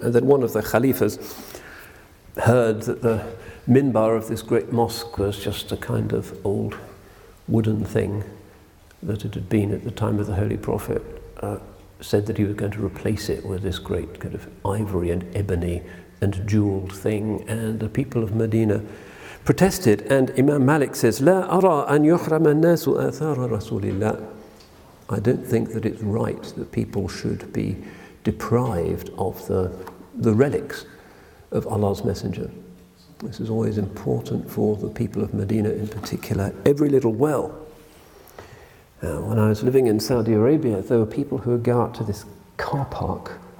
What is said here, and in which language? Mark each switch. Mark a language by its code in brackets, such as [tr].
[en] And then one of the khalifas heard that the minbar of this great mosque was just a kind of old wooden thing that it had been at the time of the Holy Prophet, said that he was going to replace it with this great kind of ivory and ebony and jeweled thing, and the people of Medina protested. [ar] And Imam Malik says, لا أرى أن يحرم الناس آثار رسول الله. [en] I don't think that it's right that people should be deprived of the relics of Allah's Messenger. This is always important for the people of Medina in particular. Every little well. Now, when I was living in Saudi Arabia, there were people who would go out to this car park.